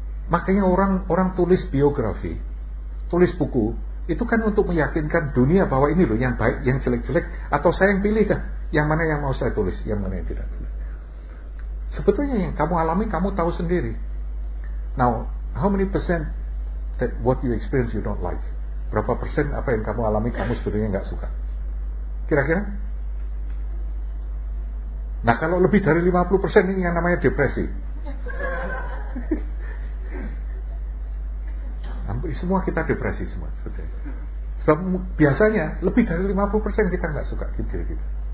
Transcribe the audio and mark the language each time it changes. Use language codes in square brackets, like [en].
[id] Makanya orang-orang tulis biografi, tulis buku, itu kan untuk meyakinkan dunia bahwa ini loh yang baik, yang jelek-jelek, atau saya yang pilih dah, yang mana yang mau saya tulis, yang mana yang tidak tulis. Sebetulnya yang kamu alami, kamu tahu sendiri. [en] Now, how many percent that what you experience you don't like? [id] Berapa persen apa yang kamu alami, kamu sebetulnya enggak suka? Kira-kira? Nah, kalau lebih dari 50% ini yang namanya depresi. Semua kita depresi semua. Sebab biasanya lebih dari 50% kita enggak suka diri kita.